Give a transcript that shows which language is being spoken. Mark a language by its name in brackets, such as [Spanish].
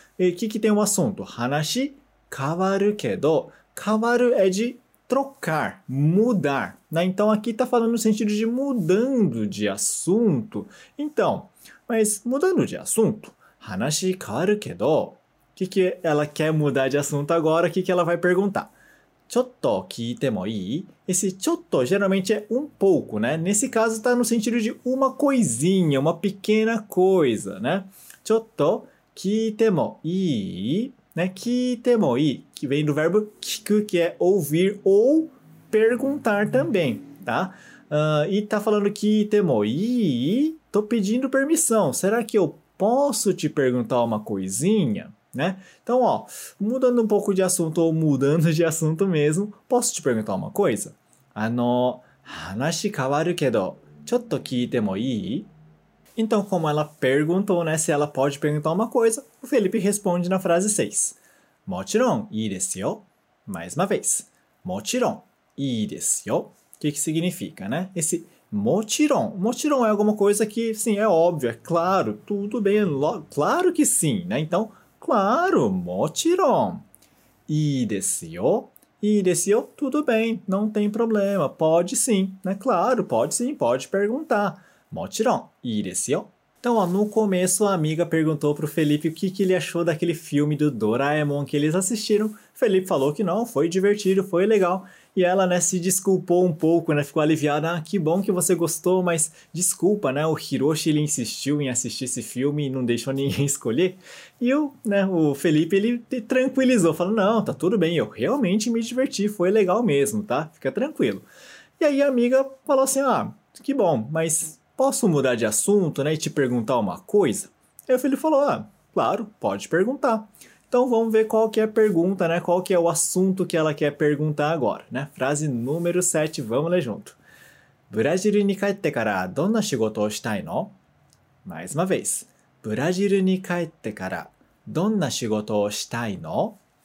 [Portuguese] E o que, que tem um assunto? [Japanese] 話変わるけど、変わる [Portuguese] é de trocar, mudar, né? Então aqui está falando no sentido de mudando de assunto. Então, mas mudando de assunto, [Japanese] 話変わるけど, [Portuguese] o que, que ela quer mudar de assunto agora? O que, que ela vai perguntar? [Japanese] ちょっと聞いてもいい? [Portuguese] Esse ちょっと geralmente é um pouco, né? Nesse caso está no sentido de uma coisinha, uma pequena coisa, né? [Japanese] ちょっと聞いてもいい? [Portuguese] Né? [Japanese] 聞いてもいい, [Portuguese] que vem do verbo 聞く, que é ouvir ou perguntar também, tá? E está falando [Japanese] 聞いてもいい? [Portuguese] Tô pedindo permissão. Será que eu posso te perguntar uma coisinha? Né? Então, ó, mudando um pouco de assunto ou mudando de assunto mesmo, posso te perguntar uma coisa? [Japanese] 話変わるけど、ちょっと聞いてもいい? [Portuguese] Então, como ela perguntou, né, se ela pode perguntar uma coisa, o Felipe responde na frase 6. [Japanese] もちろんいいですよ。 [Portuguese] Mais uma vez. [Japanese] もちろんいいですよ。 [Portuguese] Que significa, né? Esse もちろん。もちろんは alguma coisa que, sim, é óbvio, é claro, tudo bem, claro que sim, né? Então,Claro, もちろん。 [Japanese] いいですよ。いいですよ。 [Portuguese] Tudo bem, não tem problema. Pode sim, né? Claro, pode sim, pode perguntar. [Japanese] もちろん。いいですよ。 [Portuguese] Então, ó, no começo, a amiga perguntou pro Felipe o que, que ele achou daquele filme do Doraemon que eles assistiram. Felipe falou que não, foi divertido, foi legal. E ela, né, se desculpou um pouco, né, ficou aliviada. Ah, que bom que você gostou, mas desculpa, né, o Hiroshi, ele insistiu em assistir esse filme e não deixou ninguém escolher. E o, né, o Felipe, ele tranquilizou, falou, não, tá tudo bem, eu realmente me diverti, foi legal mesmo, tá? Fica tranquilo. E aí a amiga falou assim, ah, que bom, mas posso mudar de assunto, né, e te perguntar uma coisa? E aí o Felipe falou, ah, claro, pode perguntar. Então vamos ver qual que é a pergunta, né? Qual que é o assunto que ela quer perguntar agora, né? Frase número 7, vamos ler junto. [Japanese] Brasil に帰ってからどんな仕事をしたいの? [Portuguese] Mais uma vez. [Japanese] Brasil に帰ってからどんな仕事をしたいの?